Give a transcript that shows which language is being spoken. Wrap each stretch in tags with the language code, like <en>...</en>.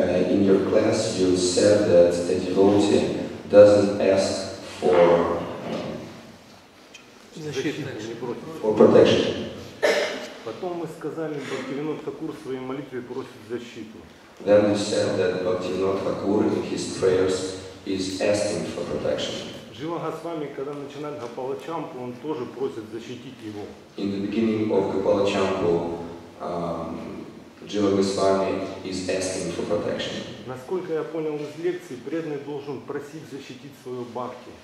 <en>In your class you said that a devotee doesn't ask for protection. But</en> <ru>потом мы сказали, Бхактивинод Такур в своей молитве просит защиту.</ru> <en>Then we said that Bhaktivinoda Thakur in his prayers is asking for protection.</en> <ru>Жива Госвами, когда начинает Гопалачампу, он тоже просит защитить его.</ru> <en>In the beginning of Gopalachampu, Jiva Goswami is asking for protection.</en> <ru>Насколько я понял из лекции, преданный должен просить защитить свою бхакти.</ru>